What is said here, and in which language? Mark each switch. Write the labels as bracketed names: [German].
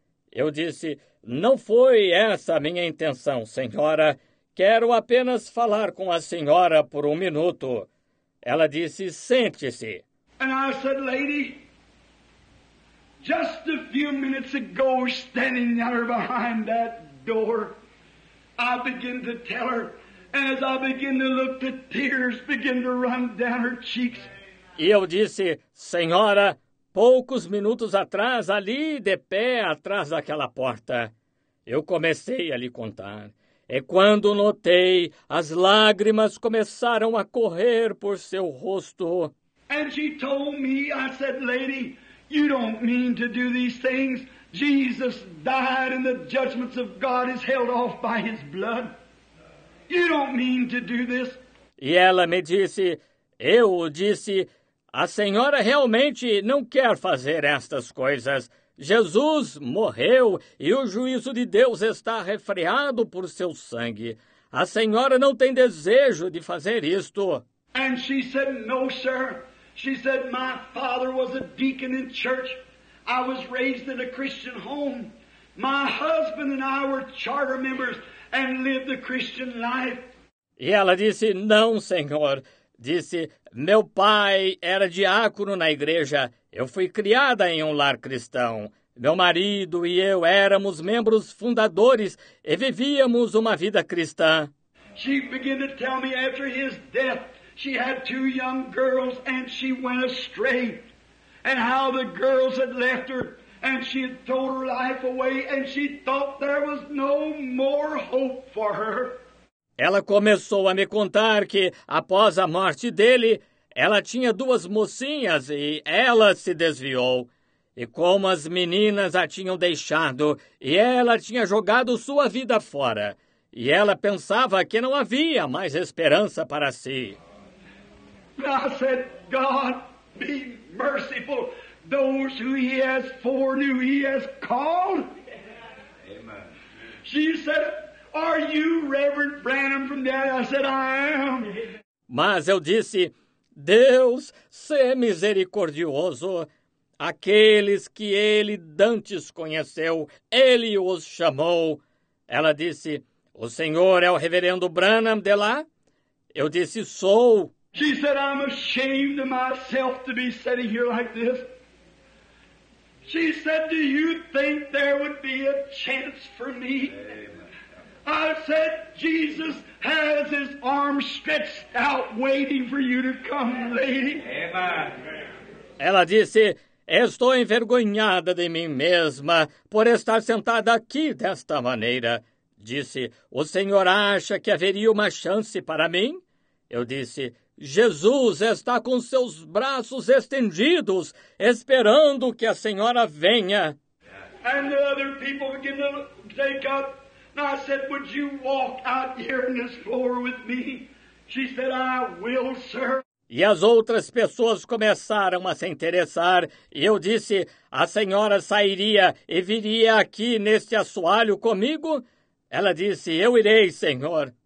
[Portuguese] Eu disse, Não foi essa a minha intenção, senhora. Quero apenas falar com a senhora por um minuto. Ela disse, Sente-se. [English] And I said, Lady, Just a few minutes ago, standing there behind that door, I began to tell her, as I began to look, the tears began to run down her cheeks. [Portuguese] E eu disse, Senhora, poucos minutos atrás, ali de pé atrás daquela porta, eu comecei a lhe contar. E quando notei, as lágrimas começaram a correr por seu rosto. [English] And she told me, I said, Lady, You don't mean to do these things. Jesus died and the judgments of God is held off by His blood. You don't mean to do this. [Portuguese] E ela me disse, eu disse, a senhora realmente não quer fazer estas coisas. Jesus morreu e o juízo de Deus está refreado por seu sangue. A senhora não tem desejo de fazer isto. [English] And she said, no, sir. She said, my father was a deacon in church. I was raised in a Christian home. My husband and I were charter members and lived a Christian life. [Portuguese] E ela disse, não, senhor. Disse, meu pai era diácono na igreja. Eu fui criada em um lar cristão. Meu marido e eu éramos membros fundadores e vivíamos uma vida cristã. [English] She began to tell me after his death, She had two young girls and she went astray. And how the girls had left her and she had thrown her life away and she thought there was no more hope for her. [Portuguese] Ela começou a me contar que após a morte dele, ela tinha duas mocinhas e ela se desviou. e como as meninas a tinham deixado, e ela tinha jogado sua vida fora, e ela pensava que não havia mais esperança para si. [English] I said, God, be merciful. Those who he has foreknew, he has called. Amen. She said, are you Reverend Branham from that? I said, I am. [Portuguese] Mas eu disse, Deus, sê misericordioso. Aqueles que ele dantes conheceu, ele os chamou. Ela disse, o senhor é o Reverendo Branham de lá? Eu disse, sou. [English] She said, I'm ashamed of myself to be sitting here like this. She said, do you think there would be a chance for me? Amen. I said, Jesus has his arms stretched out waiting for you to come, lady. Amen. [Portuguese] Ela disse, estou envergonhada de mim mesma por estar sentada aqui desta maneira. Disse, o senhor acha que haveria uma chance para mim? Eu disse, Jesus está com seus braços estendidos, esperando que a senhora venha. [English] And the other people begin to take up. And I said, would you walk out here in this floor with me? She said, I will, sir. [Portuguese] E as outras pessoas começaram a se interessar. E eu disse, a senhora sairia e viria aqui neste assoalho comigo? Ela disse, eu irei, senhor.